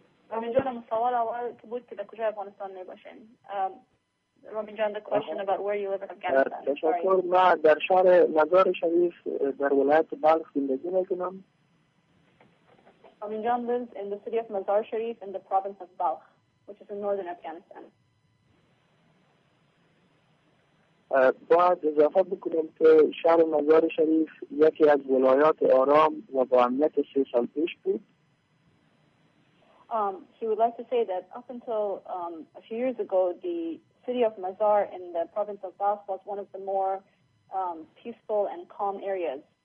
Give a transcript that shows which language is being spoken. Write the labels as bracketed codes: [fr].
[fa] Ramin Jan, the سوال اول که بود که در کجا افغانستان نباشین. [en] Ramin Jan, the question about where you live in Afghanistan. [fa] تشکر. ما در شهر مزار شریف در ولایت بلخ زندگی میکنم. [en] Ramin Jan lives in the city of Mazar Sharif in the province of Balkh, which is in northern Afghanistan. [fa] باید اضافه بکنیم که شهر مزار شریف یکی از ولایات آرام و با امنیت 3 سال پیش بود. [en] He would like to say that up until a few years ago, the city of Mazar in the province of Balkh was one of the more peaceful and calm areas.